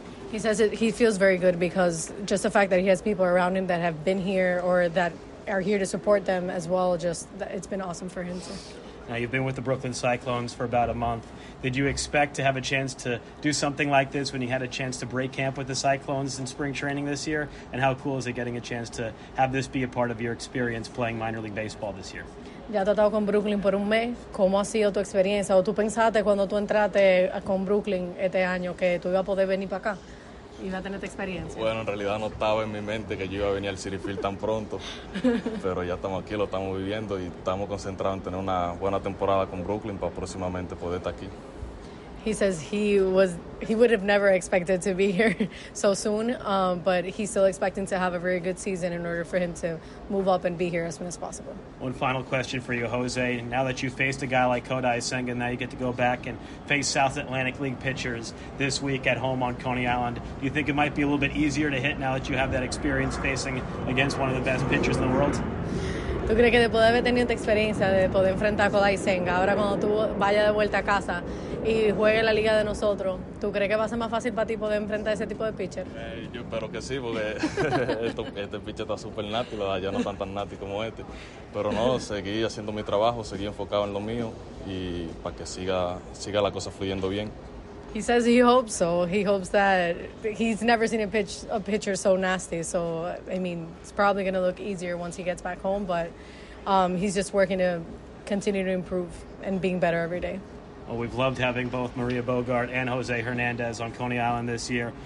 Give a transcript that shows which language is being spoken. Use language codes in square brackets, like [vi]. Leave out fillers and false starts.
[en] He says he feels very good because just the fact that he has people around him that have been here or that are here to support them as well, just it's been awesome for him too. Now you've been with the Brooklyn Cyclones for about a month. Did you expect to have a chance to do something like this when you had a chance to break camp with the Cyclones in spring training this year? And how cool is it getting a chance to have this be a part of your experience playing minor league baseball this year? [es] Ya has estado con Brooklyn por un mes. ¿Cómo ha sido tu experiencia? ¿O tú pensaste cuando tú entraste con Brooklyn este año que tú ibas a poder venir para acá? ¿Iba a tener tu experiencia? Bueno, en realidad no estaba en mi mente que yo iba a venir al Citi Field tan pronto. Pero ya estamos aquí, lo estamos viviendo y estamos concentrados en tener una buena temporada con Brooklyn para próximamente poder estar aquí. [en] He says he would have never expected to be here so soon, but he's still expecting to have a very good season in order for him to move up and be here as soon as possible. One final question for you, Jose. Now that you faced a guy like Kodai Senga, now you get to go back and face South Atlantic League pitchers this week at home on Coney Island. Do you think it might be a little bit easier to hit now that you have that experience facing against one of the best pitchers in the world? [es] ¿Tú crees que después de haber tenido esta experiencia de poder enfrentar a Kodai Senga, ahora cuando tú vayas de vuelta a casa y juegues la liga de nosotros, ¿tú crees que va a ser más fácil para ti poder enfrentar ese tipo de pitcher? Yo espero que sí, porque este pitcher está súper nati, ¿verdad? Ya no tan tan nati como este. Pero no, seguí haciendo mi trabajo, seguí enfocado en lo mío y para que siga la cosa fluyendo bien. [en] He says he hopes so. He hopes that he's never seen a pitcher so nasty. So, I mean, it's probably going to look easier once he gets back home. But he's just working to continue to improve and being better every day. Well, we've loved having both Maria Bogart and Jose Hernandez on Coney Island this year.